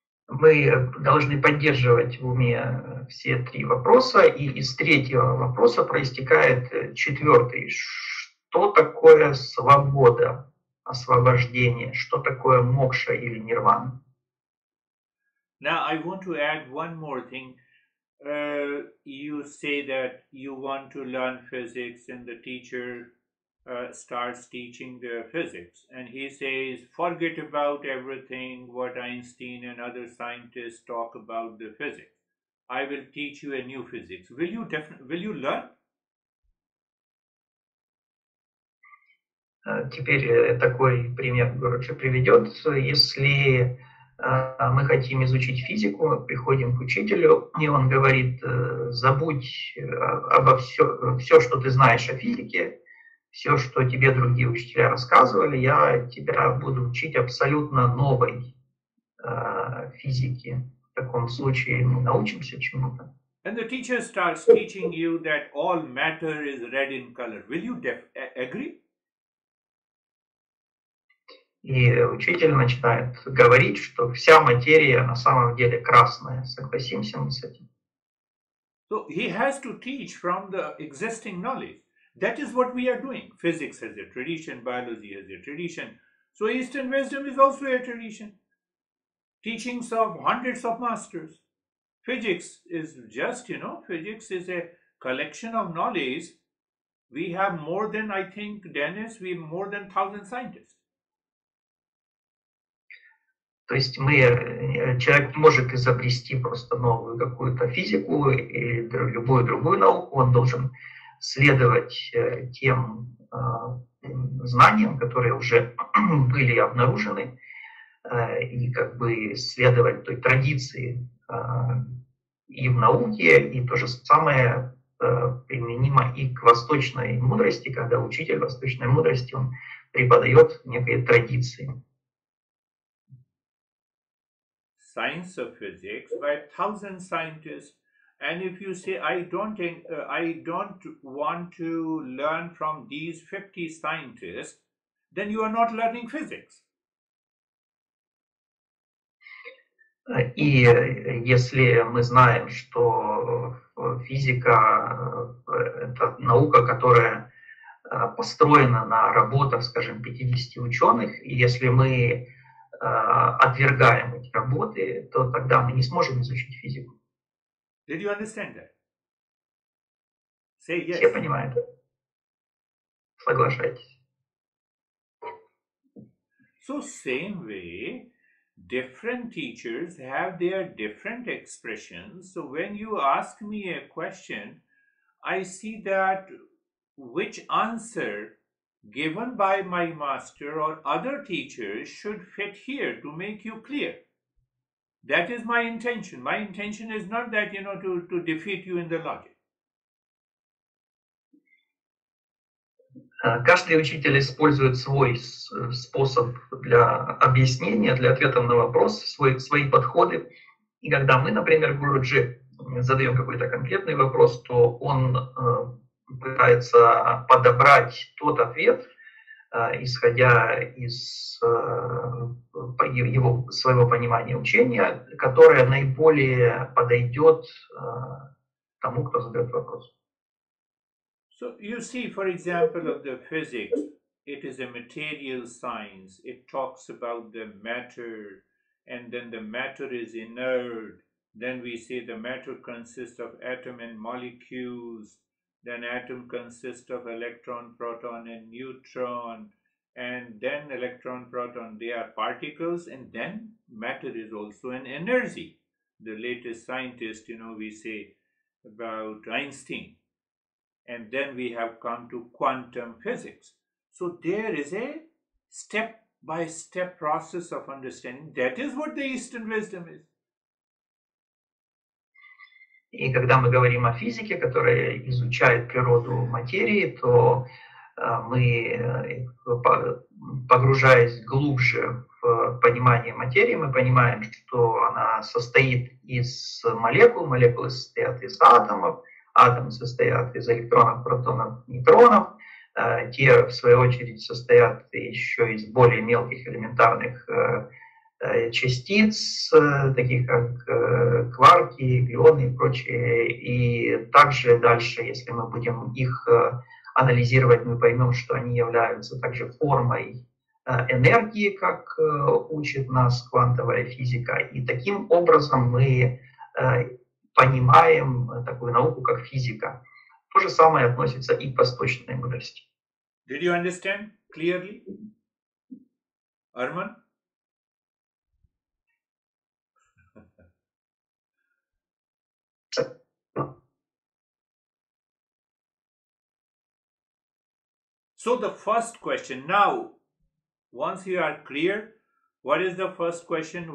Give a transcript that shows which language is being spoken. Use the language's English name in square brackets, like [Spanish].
[Russian] Мы должны поддерживать в уме все три вопроса, и из третьего вопроса проистекает четвертый. Что такое свобода, освобождение? Что такое мокша или нирвана? [English] Now I want to add one more thing. You say that you want to learn physics and the teacher starts teaching the physics, and he says, forget about everything what Einstein and other scientists talk about the physics. I will teach you a new physics. Will you learn? [Russian] Теперь такой пример Гуруджи приведет. Если мы хотим изучить физику, приходим к учителю, и он говорит, забудь обо все, что ты знаешь о физике. Все, что тебе другие учителя рассказывали, я тебя буду учить абсолютно новой физике. В таком случае мы научимся чему-то. [English] And the teacher starts teaching you that all matter is red in color. Will you agree? [Russian] И учитель начинает говорить, что вся материя на самом деле красная. Согласимся мы с этим? [English] So he has to teach from the existing knowledge. That is what we are doing. Physics has a tradition, biology has a tradition. So Eastern wisdom is also a tradition. Teachings of hundreds of masters. Physics is just, you know, physics is a collection of knowledge. We have more than, I think, Dennis, we have more than 1,000 scientists. [Russian] То есть человек может изобрести просто новую какую-то физику или любую другую науку, он должен следовать тем знаниям, которые уже были обнаружены, и как бы следовать той традиции и в науке, и то же самое применимо и к восточной мудрости, когда учитель восточной мудрости, он преподает некие традиции. [English] Science of physics by 1,000 scientists. And if you say, I don't want to learn from these 50 scientists, then you are not learning physics. [Russian] И если мы знаем, что физика – это наука, которая построена на работах, скажем, 50 ученых, и если мы отвергаем эти работы, то тогда мы не сможем изучить физику. [English] Did you understand that? Say yes. [Russian] Все понимают. Соглашайтесь. [English] So same way, different teachers have their different expressions. So when you ask me a question, I see that which answer given by my master or other teachers should fit here to make you clear. That is my intention. My intention is not that, you know, to defeat you in the logic. [Russian] Каждый учитель использует свой способ для объяснения, для ответа на вопрос, свои подходы. И когда мы, например, Гуруджи задаем какой-то конкретный вопрос, то он пытается подобрать тот ответ, исходя из его своего понимания учения, которое наиболее подойдет тому, кто задает вопрос. [English] So you see, for example, of the physics, it is a material science. It talks about the matter, and then the matter is inert. Then we say the matter consists of atom and molecules. Then atom consists of electron, proton, and neutron. And then electron, proton, they are particles. And then matter is also an energy. The latest scientist, you know, we say about Einstein. And then we have come to quantum physics. So there is a step-by-step process of understanding. That is what the Eastern wisdom is. [Russian] И когда мы говорим о физике, которая изучает природу материи, то мы, погружаясь глубже в понимание материи, мы понимаем, что она состоит из молекул. Молекулы состоят из атомов. Атомы состоят из электронов, протонов, нейтронов. Те, в свою очередь, состоят еще из более мелких элементарных частиц, таких как кварки, глионы и прочее. И также дальше, если мы будем их анализировать, мы поймем, что они являются также формой энергии, как учит нас квантовая физика. И таким образом мы понимаем такую науку, как физика. То же самое относится и к восточной мудрости. [English] Did you understand clearly? Arman? So the first question. Now, once you are clear, what is the first question?